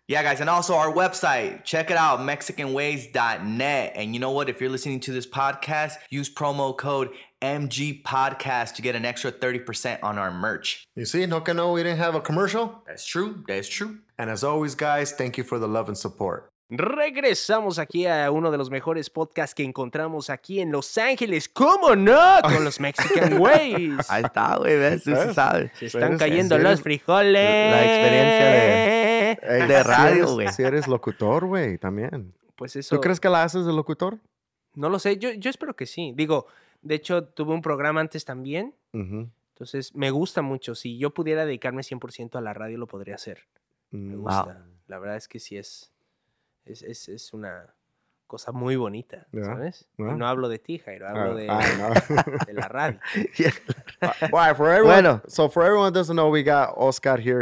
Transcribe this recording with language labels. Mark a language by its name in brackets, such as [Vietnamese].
[English] Yeah, guys, and also our website, check it out, mexicanways.net. And you know what? If you're listening to this podcast, use promo code MGPODCAST to get an extra 30% on our merch. You see, no can know we didn't have a commercial. That's true. And as always, guys, thank you for the love and support. [Spanish] Regresamos aquí a uno de los mejores podcasts que encontramos aquí en Los Ángeles, ¿cómo no? Con los Mexican Ways. Ahí está, güey, ves, sí, se sabe. Se están cayendo los frijoles. La experiencia de radio, güey. Si eres locutor, güey, también. Pues eso. ¿Tú crees que la haces de locutor? No lo sé, yo espero que sí. Digo, de hecho, tuve un programa antes también. Uh-huh. Entonces, me gusta mucho. Si yo pudiera dedicarme 100% a la radio, lo podría hacer. Me gusta. Wow. La verdad es que sí es... Es una cosa muy bonita, [English] yeah, [Spanish] ¿sabes? Yeah. No hablo de ti, Jairo, hablo de la radio. Yeah. [English] Right, for everyone, [Spanish] bueno, [English] so for everyone that doesn't know, we got Oscar here.